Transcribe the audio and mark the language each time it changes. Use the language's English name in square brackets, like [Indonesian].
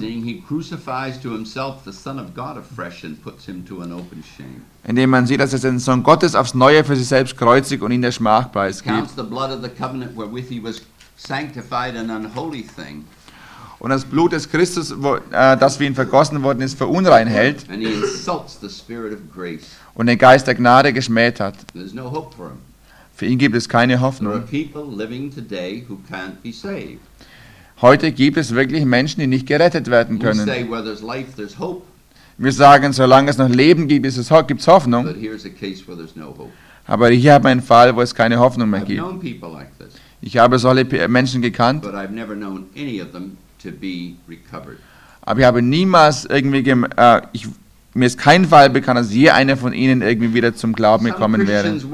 [English] He crucifies to himself the Son of God afresh and puts him to an open shame. [German] Indem man sieht, dass er den Sohn Gottes aufs Neue für sich selbst kreuzigt und ihn der Schmach preisgibt. [English] Counts the blood of the covenant wherewith he was sanctified an unholy thing. [German] Und das Blut des Christus, das für ihn vergossen worden ist, für unrein hält. [English] And he insults the spirit of grace. [German] Und den Geist der Gnade geschmäht hat. [English] There's no hope for him. [German] Für ihn gibt es keine Hoffnung. [English] There are people living today who can't be saved. [German] Heute gibt es wirklich Menschen, die nicht gerettet werden können. [English] We say, where there's life, there's hope. [German] Wir sagen, solange es noch Leben gibt, gibt es Hoffnung. [English] But here's a case where there's no hope. [German] Aber hier haben wir einen Fall, wo es keine Hoffnung mehr gibt. [English] I've known people like this. [German] Ich habe solche Menschen gekannt. [English] But I've never known any of them to be recovered. [German] Aber ich habe niemals irgendwie mir ist kein Fall bekannt, dass je einer von ihnen irgendwie wieder zum Glauben gekommen wäre.